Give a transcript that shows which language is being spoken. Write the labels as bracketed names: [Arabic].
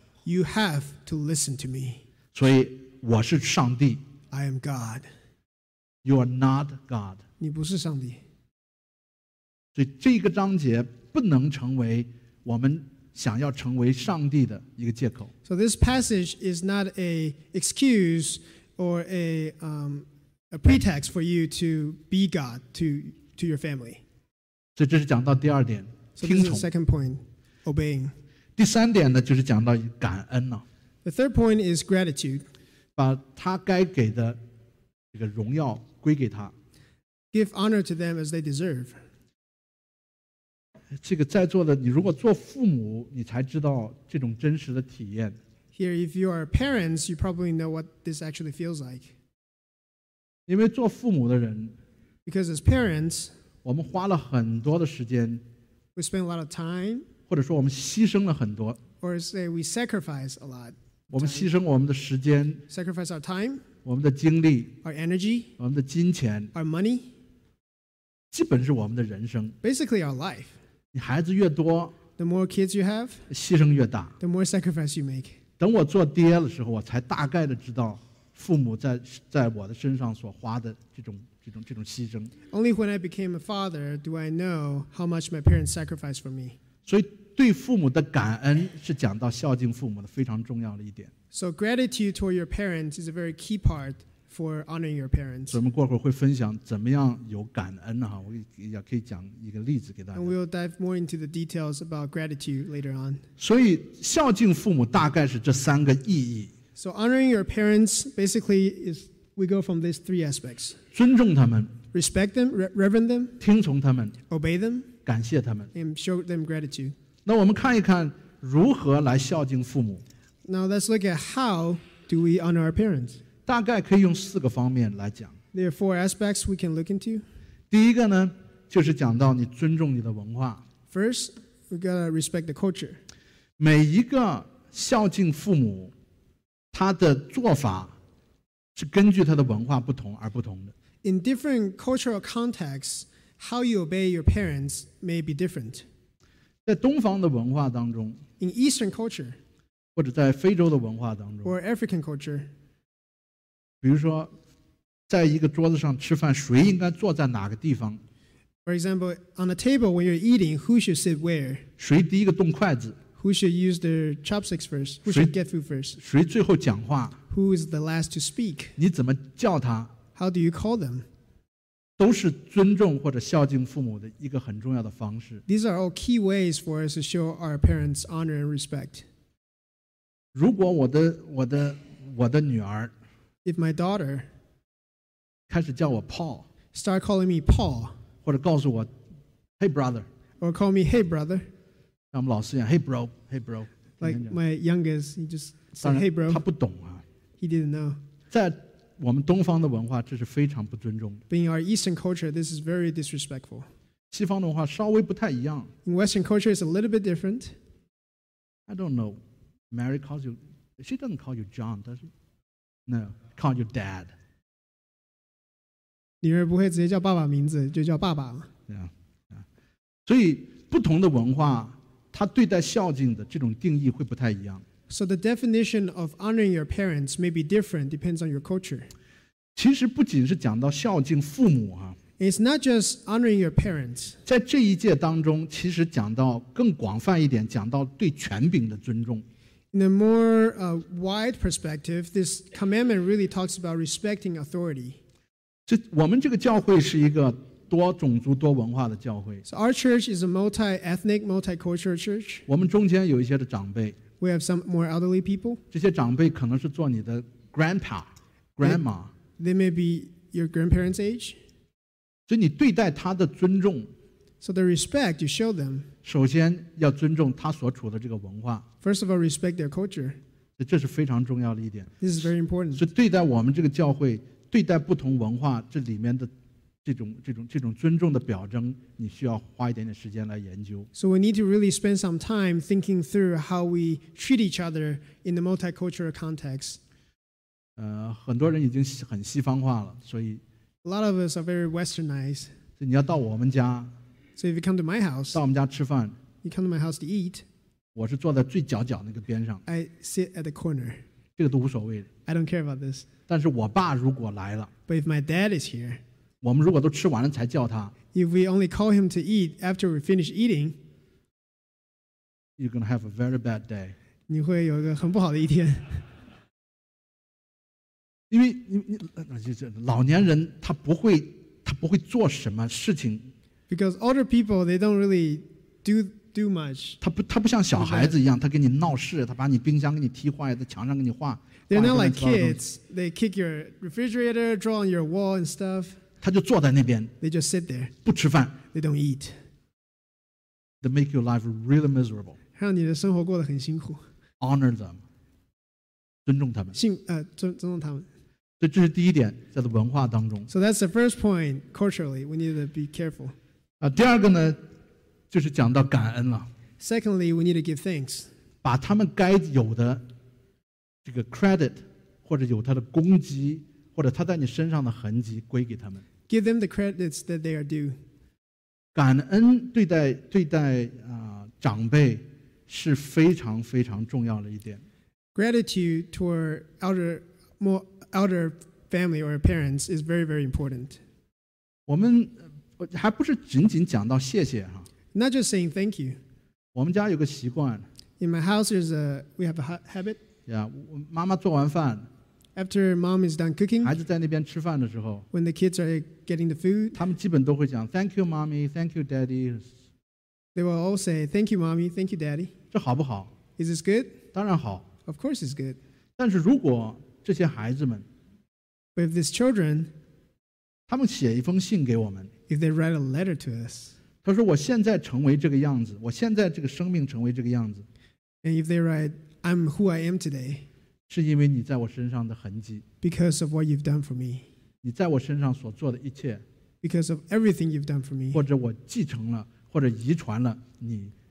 [English] You have to listen to me. [Chinese] 所以我是上帝 [English] I am God. You are not God. [Chinese] 你不是上帝所以这个章节不能成为我们想要成为上帝的一个借口 [English] So this passage is not an excuse or a pretext for you to be God to your family. [Chinese] 所以这是讲到第二点，听从。 [English] So this is the second point, obeying. [Chinese] 第三点呢，就是讲到感恩了。 [English] The third point is gratitude. [Chinese] 把他该给的这个荣耀归给他。 [English] Give honor to them as they deserve. [Chinese] 这个在座的，你如果做父母，你才知道这种真实的体验。 [English] Here, if you are parents, you probably know what this actually feels like. [Chinese] 因为做父母的人 [English] Because as parents, [Chinese] 我们花了很多的时间 [English] we spend a lot of time, [Chinese] 或者说我们牺牲了很多 [English] or say we sacrifice a lot. [Chinese] 我们牺牲我们的时间 [English] sacrifice our time, [Chinese] 我们的精力 [English] our energy, [Chinese] 我们的金钱 [English] our money, [Chinese] 基本是我们的人生 [English] basically our life. [Chinese] 你孩子越多 [English] the more kids you have, [Chinese] 牺牲越大 [English] the more sacrifice you make. [Chinese] 等我做爹的时候，我才大概的知道父母 在我的身上所花的这种牺牲。 [English] Only when I became a father do I know how much my parents sacrificed for me. [Chinese] 所以对父母的感恩是讲到孝敬父母的非常重要的一点。 [English] So gratitude toward your parents is a very key part for honoring your parents. [Chinese] 我们过会儿会分享怎么样有感恩哈，我也可以讲一个例子给大家。 [English] And we'll dive more into the details about gratitude later on. [Chinese] 所以孝敬父母大概是这三个意义。 [English] So honoring your parents basically is we go from these three aspects. [Chinese] 尊重他们。 [English] Respect them, reverend them. [Chinese] 听从他们。 [English] Obey them. [Chinese] 感谢他们。 [English] And show them gratitude. [Chinese] 那我们看一看如何来孝敬父母。 [English] Now let's look at how Do we honor our parents? [Chinese] 大概可以用四个方面来讲。 [English] There are four aspects we can look into. [Chinese] 第一个呢，就是讲到你尊重你的文化。 [English] First, we gotta respect the culture. [Chinese] 每一个孝敬父母，他的做法是根据他的文化不同而不同的。 [English] In different cultural contexts, how you obey your parents may be different. [Chinese] 在东方的文化当中 [English] ，In Eastern culture, [Chinese] 或者在非洲的文化当中 [English] ，Or African culture, [Chinese] 比如说，在一个桌子上吃饭，谁应该坐在哪个地方 [English] ？For example, on a table when you're eating, who should sit where? [Chinese] 谁第一个动筷子 [English] ？Who should use their chopsticks first? Who should get food first? [Chinese] 谁最后讲话 [English] ？Who is the last to speak? [Chinese] 你怎么叫他？ [English] How do you call them? [Chinese] 都是尊重或者孝敬父母的一个很重要的方式。 [English] These are all key ways for us to show our parents honor and respect. [Chinese] 如果我的女儿 [English] If my daughter [Chinese] 开始叫我 Paul [English] Start calling me Paul [Chinese] 或者告诉我 [English] Hey brother Or call me hey brother [Chinese] 像我们老师一样 [English] Hey bro Like my youngest He just said hey bro [Chinese] 他不懂啊 [English] He didn't know [Chinese] 在我们东方的文化这是非常不尊重的。 [English] But in our Eastern culture, this is very disrespectful. [Chinese] 西方的文化稍微不太一样。 [English] In Western culture, it's a little bit different. I don't know. Mary calls you, she doesn't call you John, does she? No, call you dad. [Chinese] 女儿不会直接叫爸爸名字，就叫爸爸。 [English] Yeah. [Chinese] 所以不同的文化，他对待孝敬的这种定义会不太一样。 [English] So the definition of honoring your parents may be different, depends on your culture. [Chinese] 其实不仅是讲到孝敬父母啊。 [English] It's not just honoring your parents. [Chinese] 在这一届当中，其实讲到更广泛一点，讲到对权柄的尊重。 [English] In a more wide perspective, this commandment really talks about respecting authority. [Chinese] 我们这个教会是一个多种族多文化的教会。 [English] So our church is a multi-ethnic, multicultural church. [Chinese] 我们中间有一些的长辈。 [English] We have some more elderly people. [Chinese] 这些长辈可能是做你的 [English] grandpa, grandma. They may be your grandparents' age. [Chinese] 所以你对待他的尊重。 [English] So the respect you show them. [Chinese] 首先要尊重他所处的这个文化。 [English] First of all, respect their culture. [Chinese] 这是非常重要的一点。 [English] This is very important. [Chinese] 所以对待我们这个教会，对待不同文化这里面的这种尊重的表征，你需要花一点点时间来研究。 [English] So we need to really spend some time thinking through how we treat each other in the multicultural context. [Chinese] 很多人已经很西方化了，所以 [English] A lot of us are very westernized. [Chinese] 所以你要到我们家 [English] So if you come to my house, [Chinese] 到我们家吃饭 [English] You come to my house to eat. [Chinese] 我是坐在最角角那个边上 [English] I sit at the corner. [Chinese] 这个都无所谓 [English] I don't care about this. [Chinese] 但是我爸如果来了 [English] But if my dad is here, [Chinese] 我们如果都吃完了才叫他 [English] If we only call him to eat after we finish eating, you're going to have a very bad day. [Chinese] 你会有一个很不好的一天。因为你老年人他不会做什么事情。 [English] Because older people, they don't really do much. [Chinese] 他不像小孩子一样，他给你闹事，他把你冰箱给你踢坏，在墙上给你画。 [English] They're not like kids. They kick your refrigerator, draw on your wall and stuff. [Chinese] 他就坐在那边 [English] They just sit there. [Chinese] 不吃饭 [English] They don't eat. They make your life really miserable. [Chinese] 让你的生活过得很辛苦 [English] Honor them. [Chinese] 尊重他们尊重他们这是第一点在文化当中 [English] So that's the first point, culturally. We need to be careful. [Chinese] 第二个呢就是讲到感恩了 [English] Secondly, we need to give thanks. [Chinese] 把他们该有的这个 credit 或者有他的功绩或者他在你身上的痕迹归给他们。 [English] Give them the credits that they are due. [Chinese] 感恩对待长辈是非常非常重要的一点。 [English] Gratitude toward elder family or parents is very, very important. [Chinese] 我们还不是仅仅讲到谢谢哈。 [English] Not just saying thank you. [Chinese] 我们家有个习惯。 [English] In my house, we have a habit. Yeah, [Chinese] 妈妈做完饭。 [English] After mom is done cooking, [Chinese] 孩子在那边吃饭的时候 [English] when the kids are getting the food, [Chinese] 他们基本都会讲 [English] thank you mommy, thank you daddy. They will all say thank you mommy, thank you daddy. [Chinese] 这好不好 [English] Is this good? [Chinese] 当然好 [English] Of course it's good. [Chinese] 但是如果这些孩子们 [English] But if these children, [Chinese] 他们写一封信给我们 [English] If they write a letter to us, [Chinese] 他说我现在成为这个样子我现在这个生命成为这个样子 [English] And if they write, I'm who I am today, [Chinese] 是因为你在我身上的痕迹。 [English] Because of what you've done for me. [Chinese] 你在我身上所做的一切。 [English] Because of everything you've done for me. [Chinese] 或者我继承了，或者遗传了你。